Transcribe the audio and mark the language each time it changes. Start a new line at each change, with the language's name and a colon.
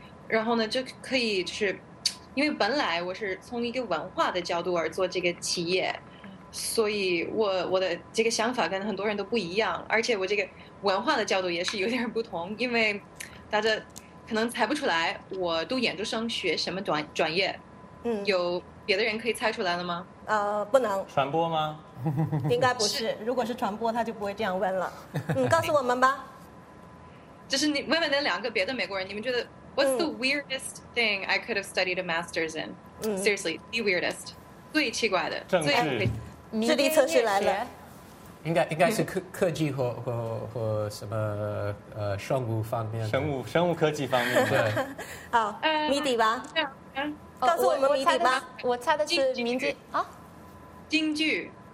Chinese: 然后呢就可以就是因为本来我是从一个文化的角度而做这个企业，所以我的这个想法跟很多人都不一样，而且我这个文化的角度也是有点不同，因为大家可能猜不出来我读研究生学什么专业。嗯，有别的人可以猜出来了吗？不能。传播吗？应该不是，如果是传播他就不会这样问了。嗯，告诉我们吧。就是你问问那两个别的美国人，你们觉得
English: What's the weirdest thing I could have studied a master's in? Seriously, the weirdest.
Chinese: 最奇怪的政治智力测试来了，应该是科技或什么生物方面，生物科技方面，对。好，谜底吧，告诉我们谜底吧。我猜的是名字啊，京剧。